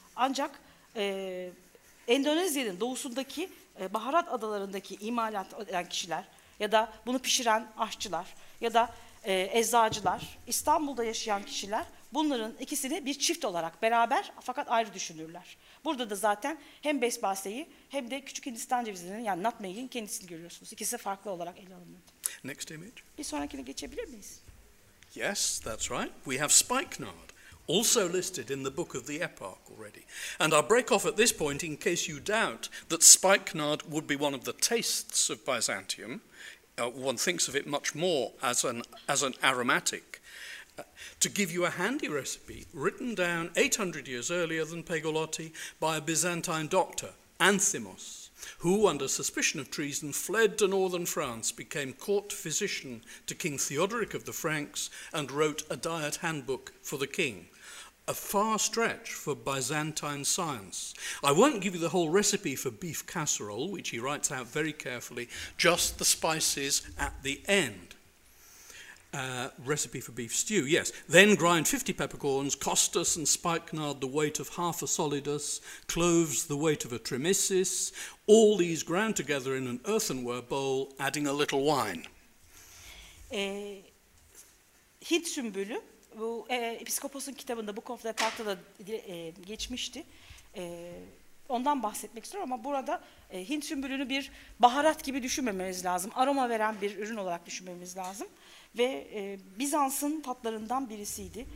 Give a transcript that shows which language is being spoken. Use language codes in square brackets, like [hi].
[tr] Ancak Endonezya'nın doğusundaki baharat adalarındaki imalat eden kişiler ya da bunu pişiren aşçılar ya da eczacılar, İstanbul'da yaşayan kişiler bunların ikisini bir çift olarak beraber fakat ayrı düşünürler. Burada da zaten hem besbaseyi hem de küçük Hindistan cevizinin yani nutmeg'in kendisini görüyorsunuz. İkisi farklı olarak ele alınıyor. [en] Next image. [tr] Bir sonrakine geçebilir miyiz? [en] Yes, that's right. We have spikenard, also listed in the Book of the Epoch already. And I'll break off at this point in case you doubt that spikenard would be one of the tastes of Byzantium. One thinks of it much more as an aromatic. To give you a handy recipe written down 800 years earlier than Pegolotti by a Byzantine doctor, Anthimos, who, under suspicion of treason, fled to northern France, became court physician to King Theodoric of the Franks, and wrote a diet handbook for the king. A far stretch for Byzantine science. I won't give you the whole recipe for beef casserole, which he writes out very carefully, just the spices at the end. Recipe for beef stew, yes. Then grind 50 peppercorns, costus and spikenard the weight of half a solidus, cloves the weight of a trimesis, all these ground together in an earthenware bowl, adding a little wine. [tr] Hint sümbülü, bu Episkopos'un kitabında, Book of the Park'ta da geçmişti. Ondan bahsetmek istiyorum ama burada Hint sümbülünü bir baharat gibi düşünmememiz lazım. Aroma veren bir ürün olarak düşünmemiz lazım. Ve Bizans'ın tatlarından birisiydi.